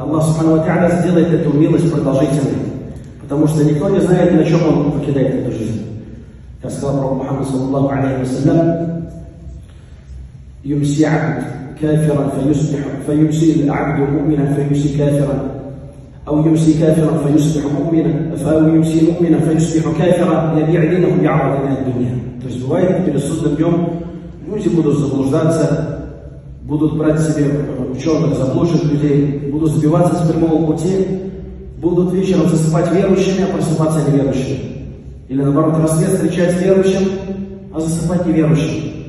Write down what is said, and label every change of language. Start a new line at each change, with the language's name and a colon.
Russian: Аллах Субхану ва Тааля сделает эту милость продолжительной. Потому что никто не знает, на чем он покидает эту жизнь. Как сказал пророк Мухаммад саллаллаху алейхи ва саллям, юмси абд кафиран фаюсбиху, фаюмси абд муминан фаюмси кафиран.
Arabic: أو يمسي كافرا فيصبح مؤمنا فأو يمسي مؤمنا فيصبح كافرا يبيع دينه بعرض من الدنيا.
Russian: То есть бывает перед судным днем люди будут заблуждаться, будут брать себе ученых, заблуждать людей, будут сбиваться с прямого пути, будут вечером засыпать верующими, а просыпаться неверующими. Или наоборот, рассвет встречать верующим, а засыпать неверующим.